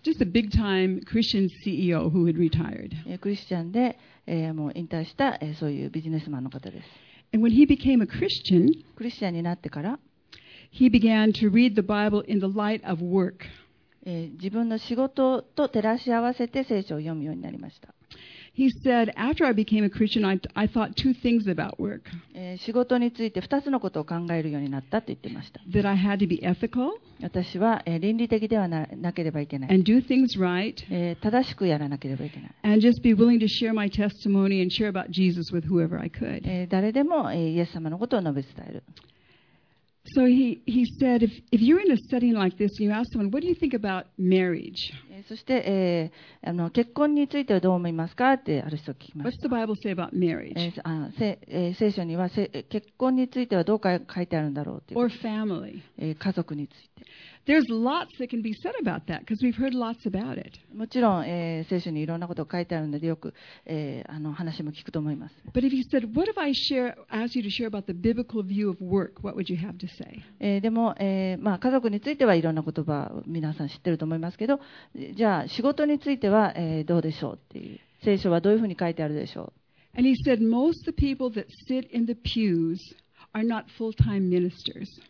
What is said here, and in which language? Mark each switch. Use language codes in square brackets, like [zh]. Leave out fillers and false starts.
[en] Just a big time Christian CEO who had retired. [ja] クリスチャンで、もう引退した、そういうビジネスマンの方です。 [en] And when he became a Christian, [ja] クリスチャンになってから、 [en] he began to read the Bible in the light of work. [ja] 自分の仕事と照らし合わせて聖書を読むようになりました。 [en] He said, after I became a Christian, I thought two things about work. [ja] 仕事について2つのことを考えるようになったと言ってました。 [en] That I had to be ethical. [ja] 私は、倫理的ではなければいけない。 [en] And do things right. [ja] 正しくやらなければいけない。 [en] And just be willing to share my testimony and share about Jesus with whoever I could. [ja] 誰でも、イエス様のことを述べ伝える。 [en] So he said, if you're in a setting like this, you ask someone, what do you think about marriage? [ja] そして、結婚についてはどう思いますかってある人聞きました。 [en] What's the Bible say about marriage? [ja] 聖書には結婚についてはどう書いてあるんだろうっていう。 [en] Or family. [ja] 家族について。 [en] There's lots that can be said about that because we've heard lots about it. [ja] もちろん、聖書にいろんなことが書いてあるのでよく、話も聞くと思います。 [en] But if you said, what if I share, ask you to share about the biblical view of work, what would you have to say? [ja] でも、家族についてはいろんな言葉を皆さん知ってると思いますけど、じゃあ仕事については、どうでしょうっていう。聖書はどういうふうに書いてあるでしょう。 [en] And he said, most of the people that sit in the pews are not full-time ministers.